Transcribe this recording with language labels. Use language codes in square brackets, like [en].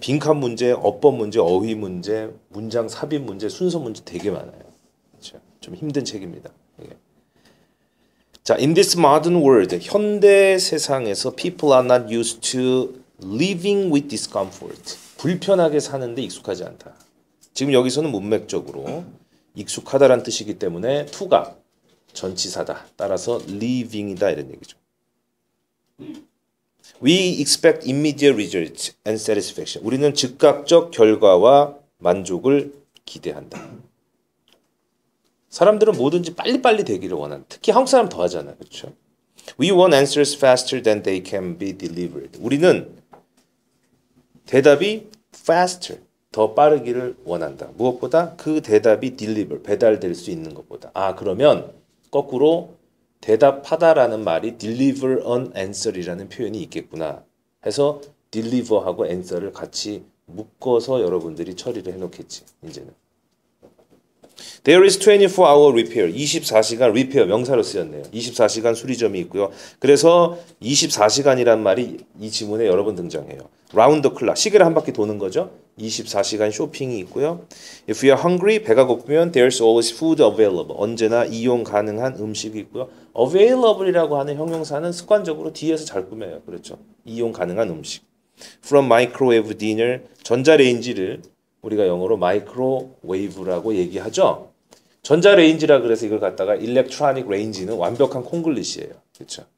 [ko] 빈칸 문제, 어법 문제, 어휘 문제, 문장 삽입 문제, 순서 문제 되게 많아요. 그렇죠? 좀 힘든 책입니다. [en] 자, In this modern world, [ko] 현대 세상에서 [en] people are not used to Living with discomfort. [ko] 불편하게 사는데 익숙하지 않다. 지금 여기서는 문맥적으로 익숙하다란 뜻이기 때문에 to가 전치사다. 따라서 living이다 이런 얘기죠. [en] We expect immediate results and satisfaction. [ko] 우리는 즉각적 결과와 만족을 기대한다. 사람들은 뭐든지 빨리빨리 되기를 원한다. 특히 한국 사람 더 하잖아요. 그렇죠? [en] We want answers faster than they can be delivered. [ko] 우리는 대답이 faster, 더 빠르기를 원한다. 무엇보다 그 대답이 deliver, 배달될 수 있는 것보다. 아, 그러면 거꾸로 대답하다라는 말이 deliver an answer이라는 표현이 있겠구나 해서 deliver하고 answer를 같이 묶어서 여러분들이 처리를 해놓겠지, 이제는. [en] There is 24-hour repair. [ko] 24시간 repair 명사로 쓰였네요. 24시간 수리점이 있고요. 그래서 24시간이란 말이 이 지문에 여러 번 등장해요. [en] Round the clock. [ko] 시계를 한 바퀴 도는 거죠. 24시간 쇼핑이 있고요. [en] If you are hungry, [ko] 배가 고프면 [en] there's always food available. [ko] 언제나 이용 가능한 음식이 있고요. Available이라고 하는 형용사는 습관적으로 뒤에서 잘 꾸며요. 그렇죠. 이용 가능한 음식. [en] From microwave dinner, [ko] 전자레인지를 우리가 영어로 마이크로웨이브라고 얘기하죠. 전자레인지라 그래서 이걸 갖다가 일렉트로닉 레인지는 완벽한 콩글리시예요. 그렇죠?